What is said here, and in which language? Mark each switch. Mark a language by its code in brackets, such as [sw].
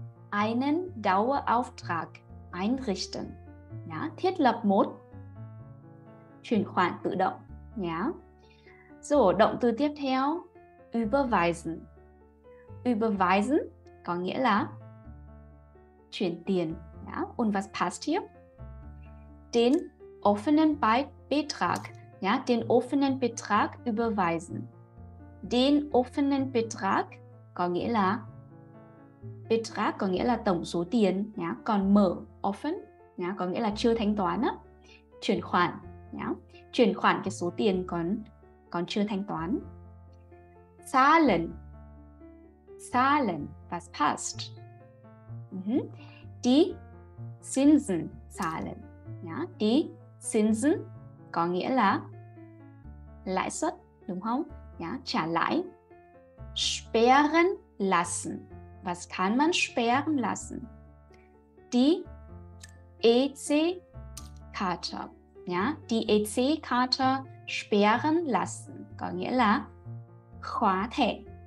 [de] Einen Dauerauftrag einrichten. [vi] Nhá, thiết lập một chuyển khoản tự động nhá. Rồi động từ tiếp theo überweisen. Überweisen có nghĩa là chuyển tiền nhá. [de] Und was passt hier? Den offenen Betrag nhá, den offenen Betrag überweisen. Den offenen Betrag [vi] có nghĩa là Betrag có nghĩa là tổng số tiền nhá. Còn mở offen nhá, có nghĩa là chưa thanh toán á, chuyển khoản nhá, chuyển khoản cái số tiền còn chưa thanh toán. Zahlen. [de] Zahlen, was passt? Die Zinsen zahlen nhá. [vi] Die Zinsen có nghĩa là lãi suất, đúng không nhá, trả lãi. [de] Sperren lassen. Was kann man sperren lassen? Die EC-Karte, ja, die EC-Karte sperren lassen, [vi] có nghĩa là khóa thẻ.